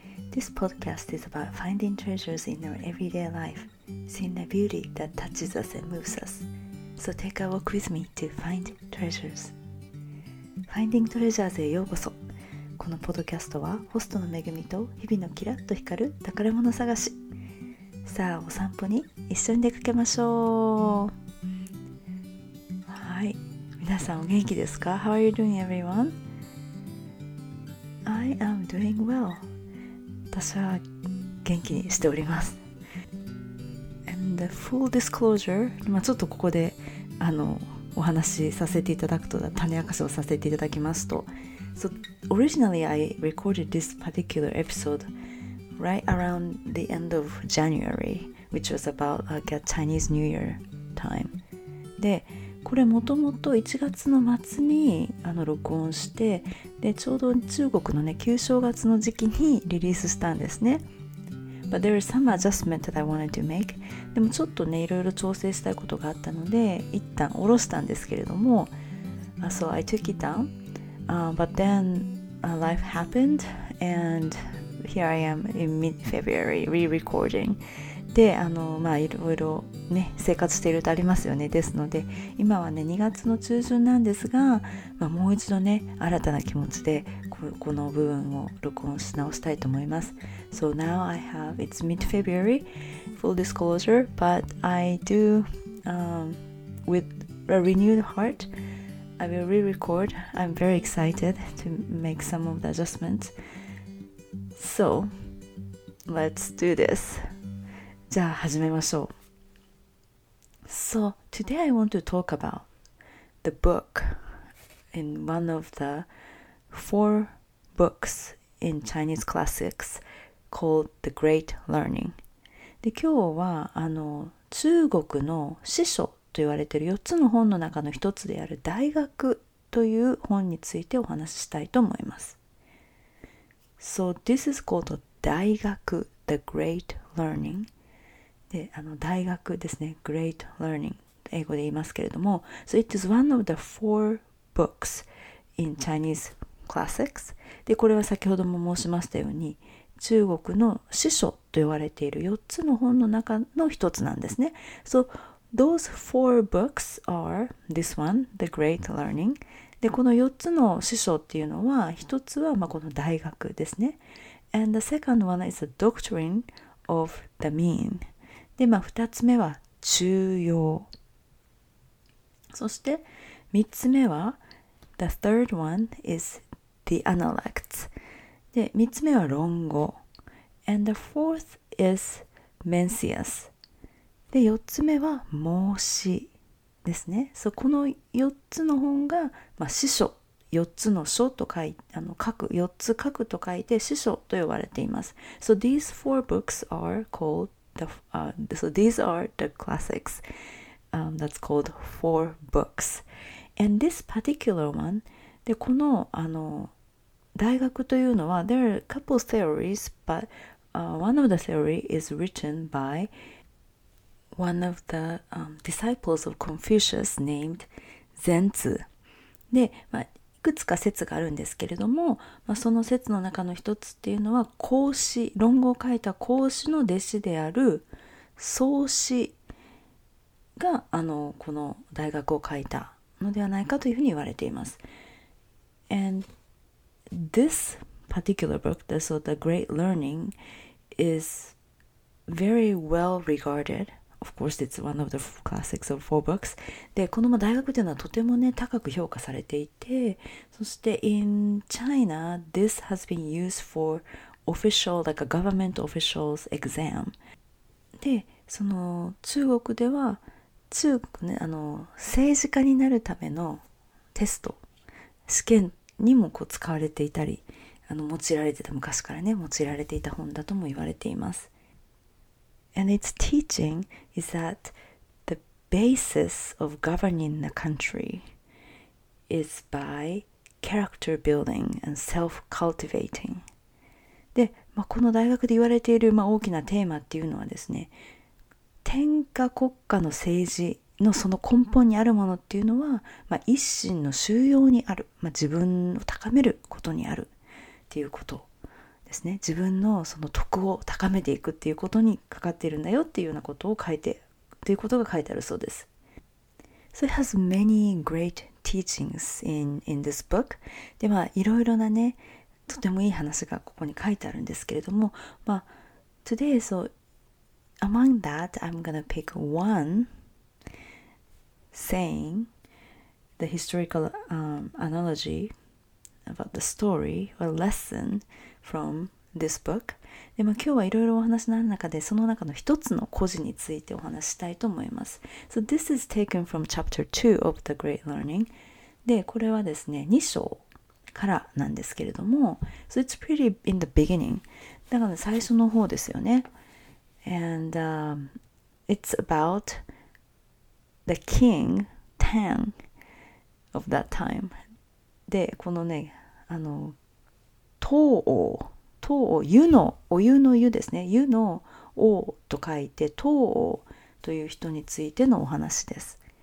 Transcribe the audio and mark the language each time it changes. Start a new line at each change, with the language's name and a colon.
English: This podcast is about finding treasures in our everyday life, seeing the beauty that touches us and moves us. So take a walk with me to find treasures.
Japanese: Finding Treasures へようこそ。このポッドキャストはホストの Megumi と日々のキラッと光る宝物探し。さあお散歩に一緒に出かけましょう。はい、皆さんお元気ですか?
English: How are you doing, everyone? I am doing well.
Japanese: 私は元気にしております。
English: And full disclosure,
Japanese: ちょっとここでお話しさせていただくと、種明かしをさせていただきますと、
English: So originally I recorded this particular episode right around the end of January, which was about like a Chinese New Year time.
Japanese: で、これもともと1月の末に録音して、でちょうど中国のね旧正月の時期にリリースしたんですね。
English: But there is some adjustment that I wanted to make.
Japanese: でもちょっとねいろいろ調整したいことがあったので一旦下ろしたんですけれども、
English: So I took it down. But then life happened and here I am in mid-February re-recording.
Japanese: でまあいろいろね、生活しているとありますよね。ですので今はね2月の中旬なんですが、まあ、もう一度ね新たな気持ちでこの部分を録音し直したいと思います。
English: So now I have it's mid-February, full disclosure, but I do with a renewed heart I will re-record. I'm very excited to make some of the adjustments. So let's do this.
Japanese: じゃあ始めましょう。
English: So today I want to talk about the book in one of the four books in Chinese classics called The Great Learning.
Japanese: で今日は中国の師書と言われている4つの本の中の一つである大学という本についてお話ししたいと思います。
English: So this is called 大学 The Great Learning.
Japanese: で大学ですね、 Great Learning 英語で言いますけれども、
English: So it is one of the four books in Chinese classics.
Japanese: でこれは先ほども申しましたように中国の師書と言われている4つの本の中の一つなんですね。
English: So those four books are this one, The Great Learning.
Japanese: でこの4つの師書っていうのは一つはこの大学ですね。
English: And the second one is the Doctrine of the Mean.
Japanese: で、二つ目は中庸。そして、三つ目は、
English: The third one is the Analects.
Japanese: で、三つ目は論語。
English: And the fourth is Mencius.
Japanese: で、四つ目は孟子ですね。そう、この四つの本が、師書、四つの書と書いて、書く、四つ書くと書いて、師書と呼ばれています。
English: So these four books are called So these are the classics that's called four books. And this particular one,
Japanese: でこの大学というのは
English: there are a couple of theories, but one of the theory is written by one of the disciples of Confucius named Zhen Zi.
Japanese: で、いくつか説があるんですけれども、その説の中の一つっていうのは孔子、論語を書いた孔子の弟子である荘子がこの大学を書いたのではないかというふうに言われています。
English: And this particular book, The Great Learning, is very well regarded. Of course, it's one of the classics of four books.
Japanese: で、この大学というのはとてもね、高く評価されていて、そして
English: in China, this has been used for official, like a government official's exam.
Japanese: で、その中国では、中国ね、政治家になるためのテスト、試験にもこう使われていたり、用いられてた、昔からね、用いられていた本だとも言われています。
English: And its teaching is that the basis of governing the country is by character building and self-cultivating.
Japanese: で、この大学で言われている大きなテーマっていうのはですね、天下国家の政治のその根本にあるものっていうのは、まあ、一心の修養にある、まあ、自分を高めることにあるっていうことですね。自分のその徳を高めていくっていうことにかかっているんだよっていうようなことを書いてということが書いてあるそうです。
English: So it has many great teachings in this book.
Japanese: で、まあ、いろいろなね、とてもいい話がここに書いてあるんですけれども、まあ、
English: Today, so among that, I'm gonna pick one saying, the historical analogy about the story or lesson from this book.
Japanese: で、まあ、今日はいろいろお話のある中で、その中の一つの故事についてお話したいと思います。
English: So this is taken from chapter 2 of The Great Learning.
Japanese: で、これはですね、2章からなんですけれども、
English: So it's pretty in the beginning.
Japanese: だから最初の方ですよね。
English: And it's about the king Tang of that time.
Japanese: で、このね、あの、唐王、唐王、湯の、お湯の湯ですね。湯の王と書いて、唐王という人についてのお話です。